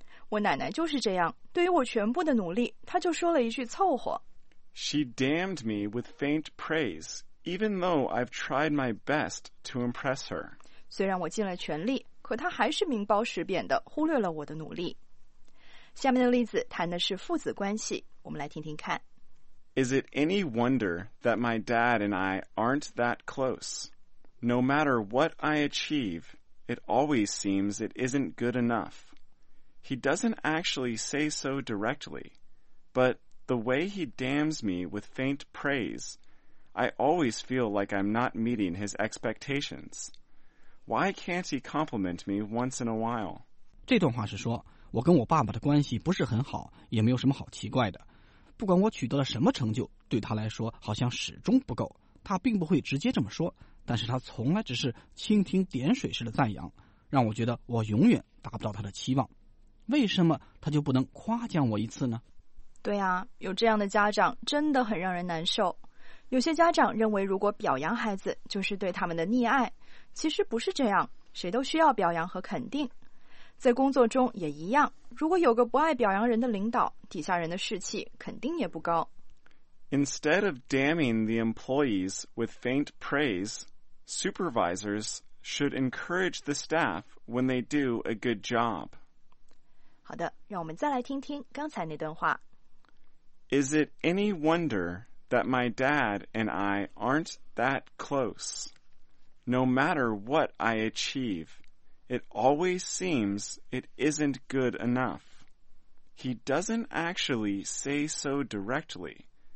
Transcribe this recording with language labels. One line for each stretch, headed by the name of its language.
Chinese: 我奶奶就是这样，对于我全部的努力，她就说了一句凑合。
English: She damned me with faint praise, even though I've tried my best to impress her.
Chinese: 虽然我尽了全力，可她还是名包实贬地忽略了我的努力。下面的例子谈的是父子关系，我们来听听看。
English: Is it any wonder that my dad and I aren't that close? No matter what I achieve, it always seems it isn't good enough. He doesn't actually say so directly, but... The way he damns me with faint praise, I always feel like I'm not meeting his expectations. Why can't he compliment me once in a while?
Chinese: 这段话是说，我跟我爸爸的关系不是很好，也没有什么好奇怪的。不管我取得了什么成就，对他来说好像始终不够。他并不会直接这么说，但是他从来只是蜻蜓点水式的赞扬，让我觉得我永远达不到他的期望。为什么他就不能夸奖我一次呢？对啊，有这样的家长真的很让人难受。有些家长认为如果表扬孩子就是对他们的溺爱，其实不是这样，谁都需要表扬和肯定。在工作中也一样，如果有个不爱表扬人的领导，底下人的士气肯定也不高。
English: Instead of damning the employees with faint praise, supervisors should encourage the staff when they do a good job.
Chinese: 好的，让我们再来听听刚才那段话。
English: Is it any wonder that my dad and I aren't that close? No matter what I achieve, it always seems it isn't good enough. He doesn't actually say so directly.